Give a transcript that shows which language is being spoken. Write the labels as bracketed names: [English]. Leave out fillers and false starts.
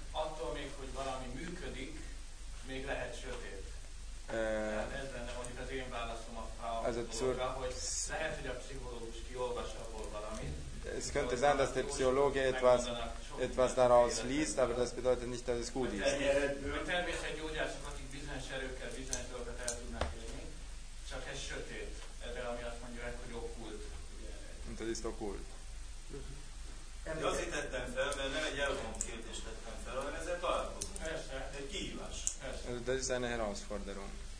[Hungarian] Attól még, hogy valami működik, még lehet sötét. Ez lenne mondjuk az én válaszom a dologra, hogy lehet, hogy a pszichológus kiolvassa abból valamit. [German] Es könnte sein, dass der Psychologe etwas daraus liest, aber das bedeutet nicht, dass es gut ist. [Hungarian] Természetesen gyógyászok, akik bizonyos erőkkel bizonyos dolgokat el tudnak élni, csak ez sötét. Erre, ami azt mondja, hogy okkult. [German] Und das ist okkult. Also das ist eine Herausforderung.